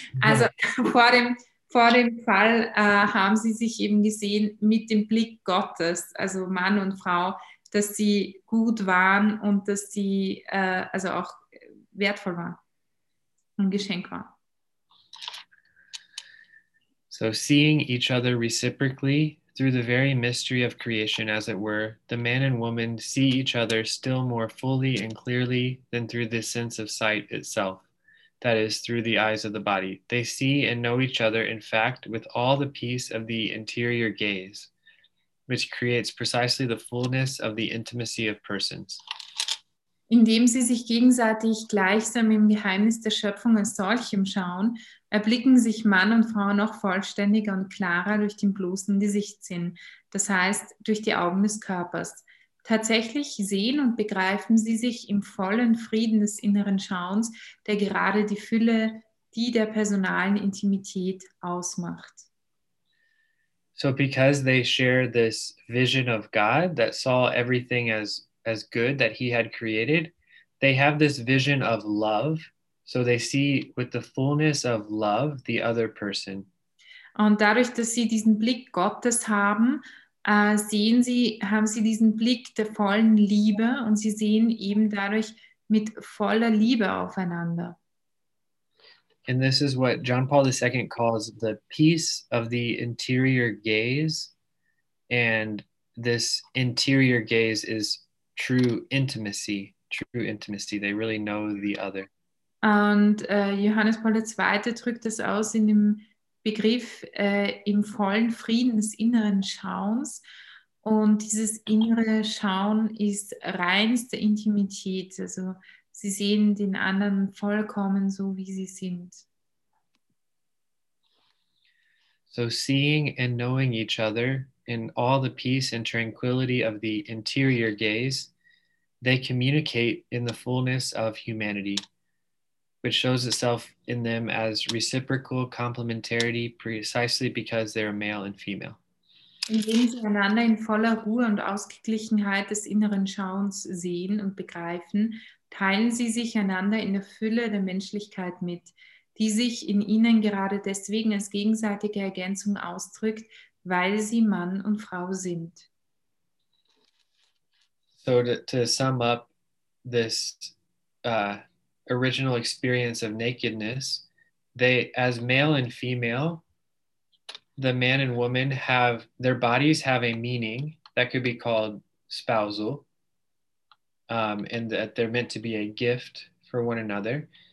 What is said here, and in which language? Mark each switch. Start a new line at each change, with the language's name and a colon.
German: Also vor dem Fall haben sie sich eben gesehen mit dem Blick Gottes, also Mann und Frau, dass sie gut waren und dass sie also auch wertvoll waren, ein Geschenk waren.
English: So seeing each other reciprocally through the very mystery of creation, as it were, the man and woman see each other still more fully and clearly than through the sense of sight itself, that is, through the eyes of the body. They see and know each other, in fact, with all the peace of the interior gaze, which creates precisely the fullness of the intimacy of persons.
German: Indem sie sich gegenseitig gleichsam im Geheimnis der Schöpfung als solchem schauen, erblicken sich Mann und Frau noch vollständiger und klarer durch den bloßen Gesichtssinn, das heißt durch die Augen des Körpers. Tatsächlich sehen und begreifen sie sich im vollen Frieden des inneren Schauens, der gerade die Fülle, die der personalen Intimität ausmacht.
English: So because they share this vision of God that saw everything as good that he had created, they have this vision of love. So they see with the fullness of love the other person.
German: Und dadurch, dass sie diesen Blick Gottes haben, haben sie diesen Blick der vollen Liebe und sie sehen eben dadurch mit voller Liebe aufeinander.
English: And this is what John Paul II calls the peace of the interior gaze. And this interior gaze is true intimacy. They really know the other.
German: Und Johannes Paul II drückt das aus in dem Begriff im vollen Frieden des inneren Schauens. Und dieses innere Schauen ist reinste Intimität. Also sie sehen den anderen vollkommen so, wie sie sind.
English: So seeing and knowing each other in all the peace and tranquility of the interior gaze, they communicate in the fullness of humanity, which shows itself in them as reciprocal complementarity precisely because they are male and female.
German: Indem sie einander in voller Ruhe und Ausgeglichenheit des inneren Schauens sehen und begreifen, teilen sie sich einander in der Fülle der Menschlichkeit mit, die sich in ihnen gerade deswegen als gegenseitige Ergänzung ausdrückt, weil sie Mann und Frau sind.
English: So to sum up this original experience of nakedness, they, as male and female, the man and woman have, their bodies have a meaning that could be called spousal, and that they're meant to be a gift for one another.